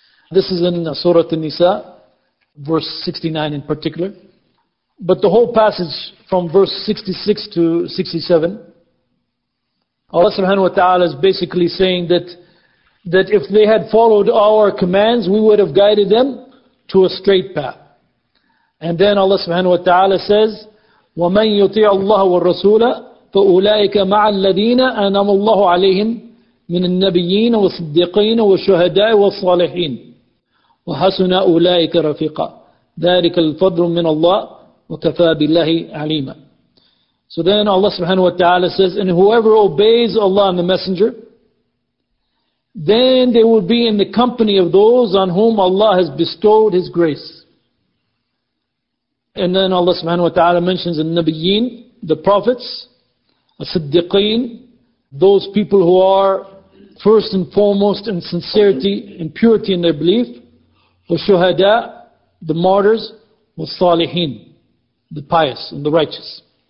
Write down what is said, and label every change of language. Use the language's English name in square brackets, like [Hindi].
[English] This is in Surah An-Nisa, verse 69 in particular. But the whole passage from verse 66 to 67, Allah subhanahu wa ta'ala is basically saying that if they had followed our commands, we would have guided them to a straight path. And then Allah subhanahu wa ta'ala says, [Arabic] وَمَنْ يُطِعَ اللَّهُ وَالرَّسُولَ فَأُولَٰئِكَ مَعَ الَّذِينَ أَنَمَ اللَّهُ عَلَيْهِمْ مِنَ النَّبِيِّينَ وَالصِّدِّقِينَ وَالشُّهَدَاءِ وَالصَّالِحِينَ وَحَسُنَ أُولَٰئِكَ رَفِيقًا ذَلِكَ الْفَضْلُ مِنَ اللَّهِ وَكَفَى بِاللَّهِ عَلِيمًا. [English] So then Allah subhanahu wa ta'ala says, and whoever obeys Allah and the Messenger, then they will be in the company of those on whom Allah has bestowed His grace. And then Allah subhanahu wa ta'ala mentions the Nabiyeen, the prophets, as-siddiqeen, those people who are first and foremost in sincerity and purity in their belief, wa-shuhada, the martyrs, wa-saliheen, the pious and the righteous.